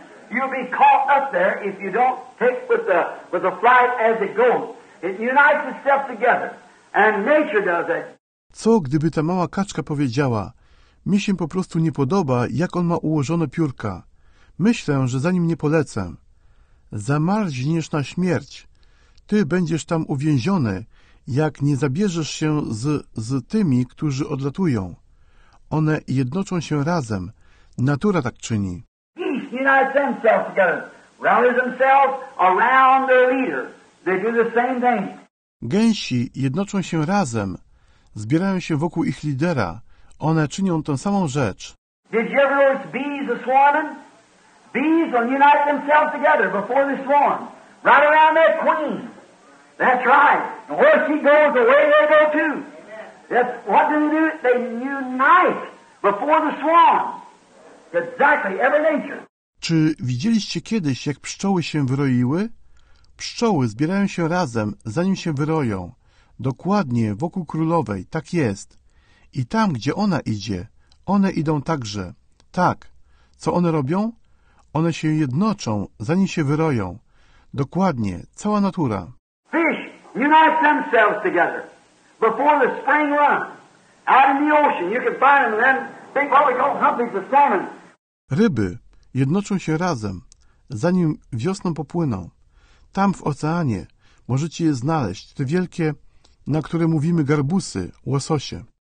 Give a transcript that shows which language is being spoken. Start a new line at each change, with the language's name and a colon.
English: You'll be caught up there if you don't take with the flight as it goes. It unites itself together, and nature does it.
Polish: Co gdyby ta mała kaczka powiedziała? Mi się po prostu nie podoba, jak on ma ułożone piórka. Myślę, że za nim nie polecę. Zamarzniesz na śmierć. Ty będziesz tam uwięziony, jak nie zabierzesz się z tymi, którzy odlatują. One jednoczą się razem. Natura tak czyni.
English: Unites themselves together, rallies themselves around their leader. They do the same thing.
Polish: Gęsi jednoczą się razem, zbierają się wokół ich lidera. One czynią tę samą rzecz.
English: Did you ever notice bees are swarming? Bees will unite themselves together before they swarm, right around their queen. That's right. And where she goes, away they go too. That's what do they do? They unite before the swarm. Exactly, every nature.
Polish: Czy widzieliście kiedyś, jak pszczoły się wyroiły? Pszczoły zbierają się razem, zanim się wyroją. Dokładnie wokół królowej, tak jest. I tam, gdzie ona idzie, one idą także. Tak. Co one robią? One się jednoczą, zanim się wyroją. Dokładnie, cała natura.
English: Fish unite themselves together before the spring run. Out in the ocean, you can find them then. They probably call something the salmon.
Polish: Ryby jednoczą się razem, zanim wiosną popłyną. Tam w oceanie możecie je znaleźć, te wielkie, na które mówimy garbusy, łososie.